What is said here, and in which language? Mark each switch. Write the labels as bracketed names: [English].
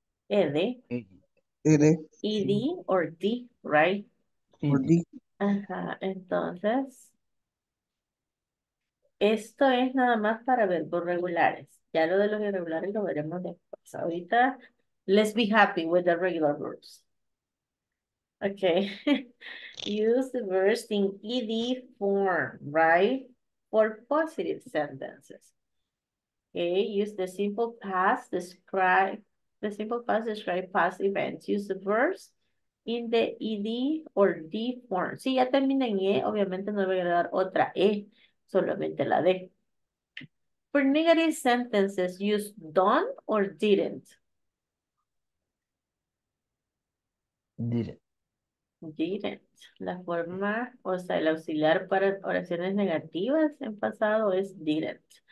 [English] ED or D, right? Or D. [Spanish] Ajá, entonces, esto es nada más para verbos regulares. Ya lo de los irregulares lo veremos después. Ahorita, [English] let's be happy with the regular verbs. Okay. Use the verbs in ED form, right? For positive sentences. Okay, use the simple past, describe past events. Use the verbs in the ED or D form. [Spanish] Si ya termina en E, obviamente no le voy a dar otra E, solamente la D. [English] For negative sentences, use done or didn't. Didn't. [Spanish] La forma, o sea, el auxiliar para oraciones negativas en pasado es didn't.